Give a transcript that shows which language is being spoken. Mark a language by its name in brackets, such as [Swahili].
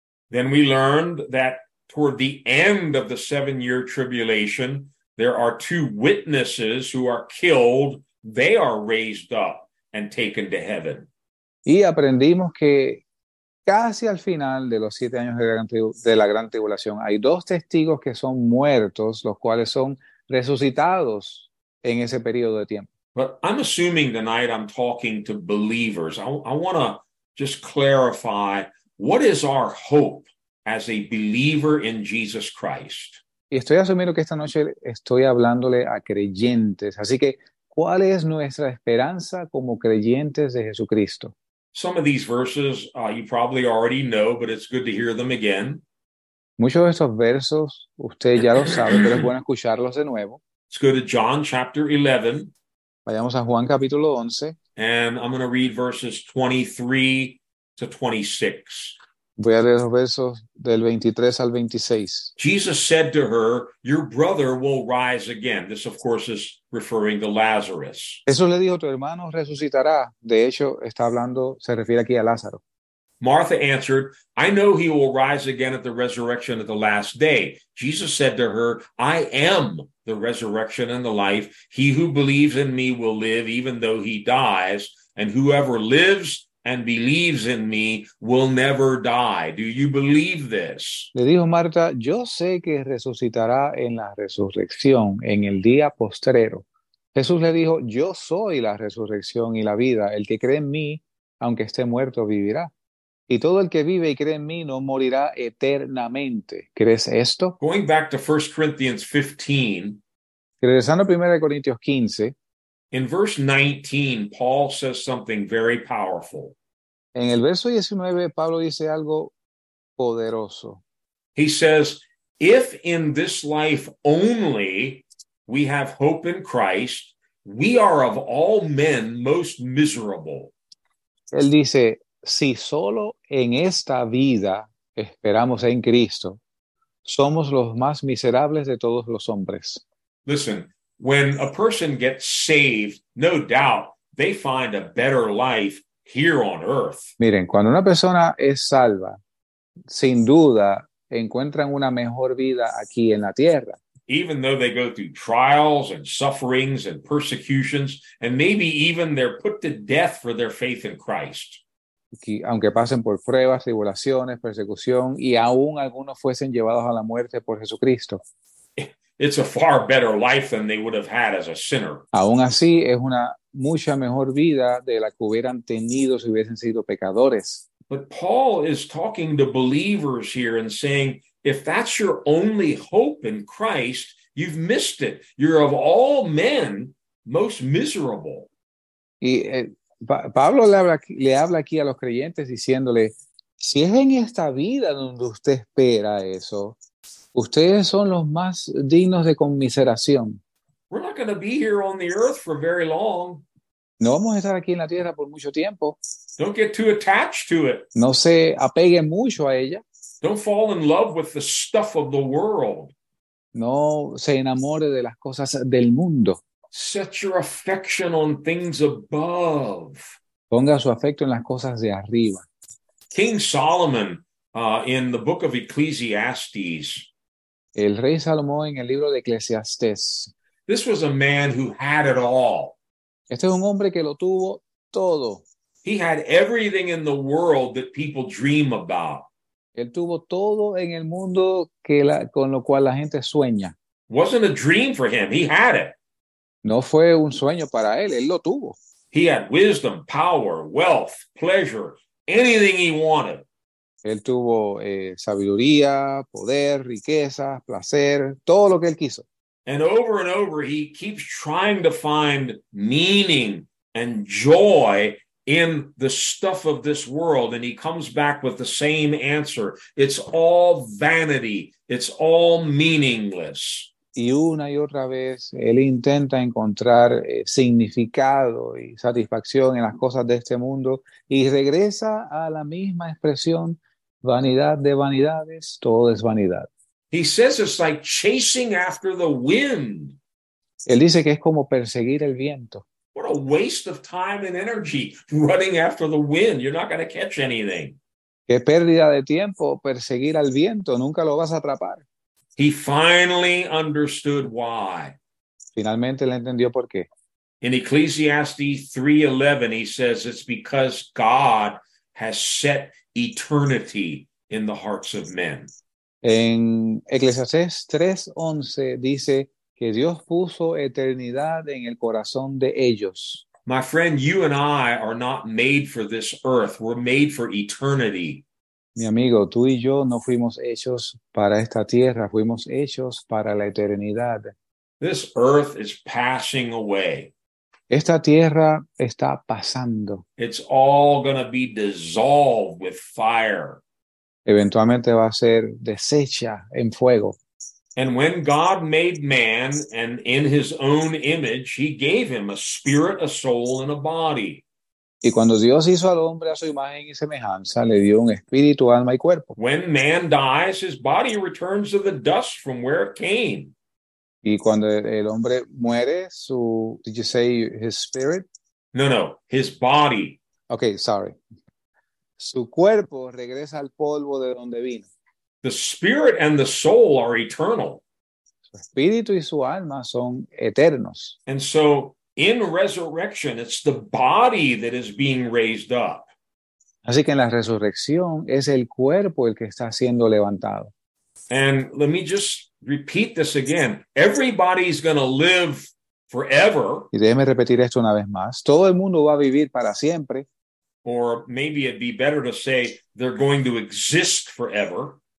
[English] Then we learned that toward the end of the seven-year tribulation, there are two witnesses who are killed. They are raised up and taken to heaven. [Spanish] Y aprendimos que casi al final de los siete años de la gran tribulación, hay dos testigos que son muertos, los cuales son resucitados en ese periodo de tiempo. [English] But I'm assuming tonight I'm talking to believers. I want to just clarify, what is our hope as a believer in Jesus Christ? [Spanish] Y estoy asumiendo que esta noche estoy hablándole a creyentes. Así que, ¿cuál es nuestra esperanza como creyentes de Jesucristo? [English] Some of these verses you probably already know, but it's good to hear them again. [Spanish] Muchos de estos versos usted ya los sabe, pero es bueno escucharlos de nuevo. [English] Let's go to John chapter 11. [Spanish] Vayamos a Juan capítulo 11. [English] And I'm going to read verses 23 to 26. [Spanish] Voy a leer los versos del 23 al 26. [English] Jesus said to her, "Your brother will rise again." This, of course, is referring to Lazarus. [Spanish] Eso le dijo, tu hermano resucitará. De hecho, está hablando, se refiere aquí a Lázaro. [English] Martha answered, "I know he will rise again at the resurrection of the last day." Jesus said to her, "I am the resurrection and the life. He who believes in me will live even though he dies, and whoever lives and believes in me will never die. Do you believe this?" [Spanish] Le dijo Marta, "Yo sé que resucitará en la resurrección, en el día postrero." Jesús le dijo, "Yo soy la resurrección y la vida. El que cree en mí, aunque esté muerto, vivirá. Y todo el que vive y cree en mí no morirá eternamente. ¿Crees esto?" [English] Going back to 1 Corinthians 15. [Spanish] Regresando a 1 Corintios 15. [English] In verse 19, Paul says something very powerful. [Spanish] En el verso 19, Pablo dice algo poderoso. [English] He says, "If in this life only we have hope in Christ, we are of all men most miserable." [Spanish] Él dice, si solo en esta vida esperamos en Cristo, somos los más miserables de todos los hombres. [English] Listen. When a person gets saved, no doubt they find a better life here on earth. [Spanish] Miren, cuando una persona es salva, sin duda encuentran una mejor vida aquí en la tierra. [English] Even though they go through trials and sufferings and persecutions, and maybe even they're put to death for their faith in Christ. [Spanish] Aunque pasen por pruebas, tribulaciones, persecución, y aún algunos fuesen llevados a la muerte por Jesucristo. [English] It's a far better life than they would have had as a sinner. [Spanish] Aún así, es una mucha mejor vida de la que hubieran tenido si hubiesen sido pecadores. [English] But Paul is talking to believers here and saying, if that's your only hope in Christ, you've missed it. You're of all men most miserable. [Spanish] Y Pablo le habla aquí a los creyentes diciéndole, si es en esta vida donde usted espera eso, ustedes son los más dignos de conmiseración. [English] We're not going to be here on the earth for very long. [Spanish] No vamos a estar aquí en la tierra por mucho tiempo. [English] Don't get too attached to it. [Spanish] No se apegue mucho a ella. [English] Don't fall in love with the stuff of the world. [Spanish] No se enamore de las cosas del mundo. [English] Set your affection on things above. [Spanish] Ponga su afecto en las cosas de arriba. [English] King Solomon. In the book of Ecclesiastes, [Spanish] el rey Salomón en el libro de Eclesiastés. [English] This was a man who had it all. [Spanish] Este es un hombre que lo tuvo todo. [English] He had everything in the world that people dream about. [Spanish] Él tuvo todo en el mundo con lo cual la gente sueña. [English] Wasn't a dream for him. He had it. [Spanish] No fue un sueño para él. Él lo tuvo. [English] He had wisdom, power, wealth, pleasure, anything he wanted. [Spanish] Él tuvo sabiduría, poder, riqueza, placer, todo lo que él quiso. [English] And over and over he keeps trying to find meaning and joy in the stuff of this world. And he comes back with the same answer. It's all vanity. It's all meaningless. [Spanish] Y una y otra vez él intenta encontrar significado y satisfacción en las cosas de este mundo. Y regresa a la misma expresión. Vanidad de vanidades, todo es vanidad. [English] He says it's like chasing after the wind. [Spanish] Él dice que es como perseguir el viento. [English] What a waste of time and energy running after the wind. You're not going to catch anything. [Spanish] Qué pérdida de tiempo perseguir al viento, nunca lo vas a atrapar. [English] He finally understood why. [Spanish] Finalmente le entendió por qué. [English] In Ecclesiastes 3:11 he says it's because God has set eternity in the hearts of men. [Spanish] En Eclesiastés 3:11 dice que Dios puso eternidad en el corazón de ellos. [English] My friend, you and I are not made for this earth. We're made for eternity. [Spanish] Mi amigo, tú y yo no fuimos hechos para esta tierra, fuimos hechos para la eternidad. [English] This earth is passing away. [Spanish] Esta tierra está pasando. [English] It's all gonna be dissolved with fire. [Spanish] Eventualmente va a ser deshecha en fuego. [English] And when God made man, and in his own image, he gave him a spirit, a soul, and a body. [Spanish] Y cuando Dios hizo al hombre a su imagen y semejanza, le dio un espíritu, alma y cuerpo. [English] When man dies, his body returns to the dust from where it came. [Spanish] Y cuando el hombre muere, su, [English] did you say his spirit? No, his body. Okay, sorry. [Spanish] Su cuerpo regresa al polvo de donde vino. [English] The spirit and the soul are eternal. [Spanish] Su espíritu y su alma son eternos. [English] And so in resurrection, it's the body that is being raised up. [Spanish] Así que en la resurrección es el cuerpo el que está siendo levantado. [English] And let me just repeat this again. Everybody's going to live forever. [Spanish] Y déjeme repetir esto una vez más. Todo el mundo va a vivir para siempre. [English] Or maybe it'd be better to say they're going to exist forever.